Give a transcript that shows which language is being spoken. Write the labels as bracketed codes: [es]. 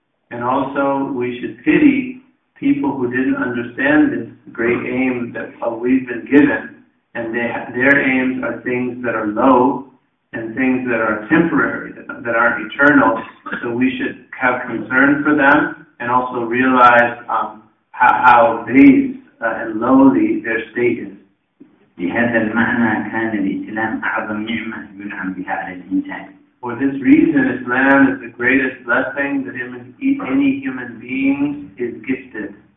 [en] And also we should pity people who didn't understand this great aim that we've been given, and their aims are things that are low and things that are temporary, that aren't eternal. So we should have concern for them and also realize how base and lowly their state is. [ar] لهذا المعنى كان الإسلام أعظم نعمة ينعم بها على الإنسان. [en] For this reason, Islam is the greatest blessing that any human being is gifted.